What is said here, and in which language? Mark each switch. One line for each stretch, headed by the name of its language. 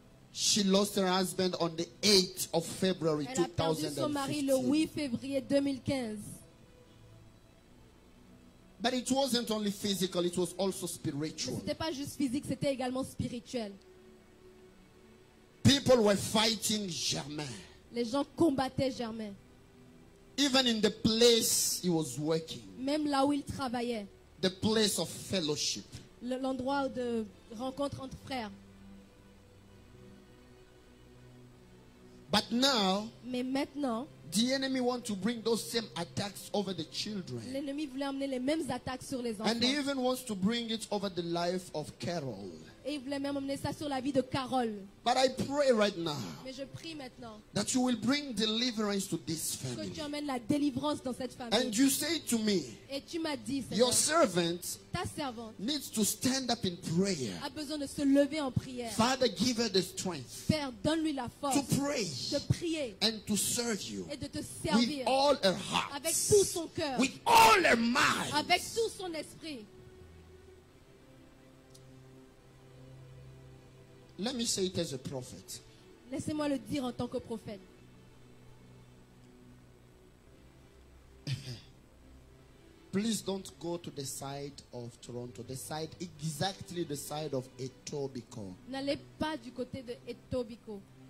English: She lost her husband on the 8th of February 2015.
French: Elle a perdu son mari le 8 février 2015.
English: But it wasn't only physical, it was also spiritual.
French: Mais c'était pas juste physique, c'était également spirituel.
English: People were fighting Germain.
French: Les gens combattaient Germain.
English: Even in the place he was working.
French: Même là où il travaillait.
English: The place of fellowship.
French: L'endroit de rencontre entre frères.
English: But now,
French: mais maintenant,
English: the enemy want to bring those same attacks over the children.
French: L'ennemi voulait amener les mêmes attaques sur les enfants.
English: And he even wants to bring it over the life of Carol.
French: Et il voulait même amener ça sur la vie de Carol.
English: But I pray right now.
French: Mais je prie maintenant.
English: That you will bring deliverance to this family.
French: Que tu amènes la délivrance dans cette famille.
English: And you say to me.
French: Et tu m'as dit, Seigneur,
English: your servant.
French: Ta servante.
English: Needs to stand up in prayer.
French: A besoin de se lever en prière.
English: Father, give her the strength.
French: Père, donne-lui la force.
English: To pray.
French: De prier.
English: And to serve you.
French: Et de te servir.
English: With all her heart.
French: Avec tout son cœur.
English: With all her mind.
French: Avec tout son esprit.
English: Let me say it as a prophet.
French: Laissez-moi le dire en tant que prophète.
English: Please don't go to the side of Toronto, the side exactly the side of Etobicoke.
French: N'allez pas du côté de Etobicoke.